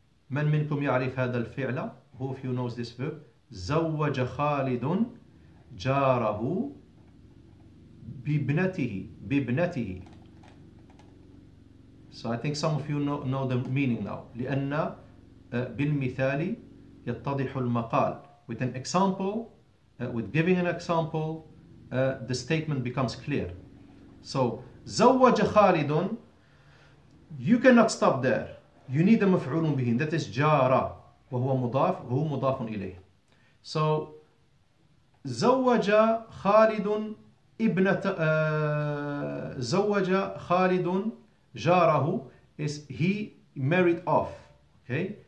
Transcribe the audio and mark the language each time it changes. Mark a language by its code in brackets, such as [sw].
[ar] من منكم يعرف هذا الفعل? [en] Who of you knows this verb? [ar] Zawwaja khalidun jarahu بابنته. [en] So I think some of you know the meaning now. [ar] لأن بالمثال يتضح المقال. [en] With an example, with giving an example, the statement becomes clear. So [ar] زوج خالد. [en] You cannot stop there. You need a مفعول به. That is جارة. [ar] وهو مضاف. هو مضاف إليه. [en] So [ar] زوج خالد ابنة زوج خالد جاره [en] is he married off, okay?